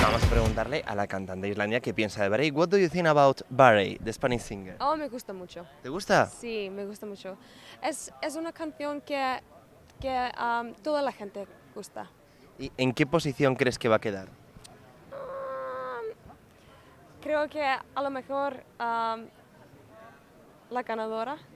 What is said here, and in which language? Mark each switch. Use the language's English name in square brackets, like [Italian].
[Spanish] preguntarle a la cantante de Islandia qué piensa de Barei. [English] What do you think about Barei, the Spanish singer? [Spanish] Oh, me gusta mucho. ¿Te gusta? Sí, me gusta mucho. Es una canción que toda la gente gusta. ¿Y en qué posición crees que va a quedar? Creo que a lo mejor la ganadora.